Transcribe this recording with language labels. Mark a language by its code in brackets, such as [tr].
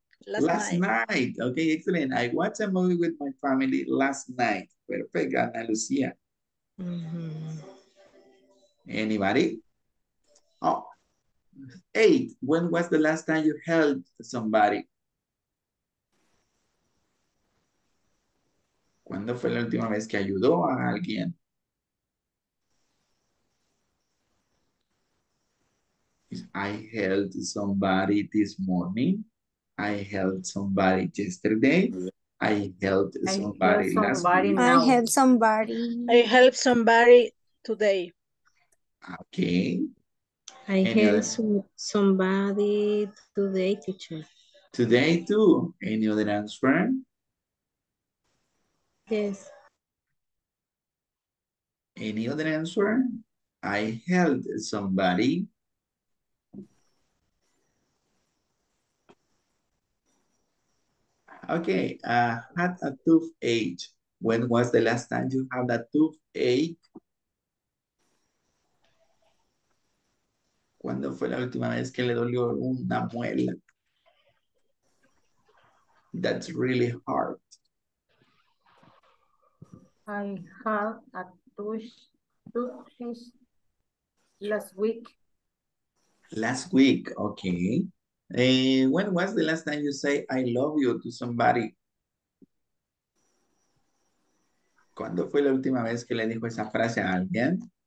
[en] Okay, excellent. I watched a movie with my family last night. Perfect, Ana Lucia. Mm-hmm. Anybody? Oh, eight. When was the last time you held somebody? [es] ¿Cuándo fue la última vez que ayudó a alguien? [en] I held somebody this morning. I held somebody yesterday. I held somebody last week. I helped somebody today. Okay. I helped somebody today, teacher. Today too. Any other answer? Yes. Any other answer? I helped somebody. Okay. Had a toothache. When was the last time you had a toothache? [es] ¿Cuándo fue la última vez que le dolió una muela? [en] That's really hard. I had a toothache last week. Last week, okay. When was the last time you say I love you to somebody? [es] ¿Cuándo fue la última vez que le dijo esa frase a alguien?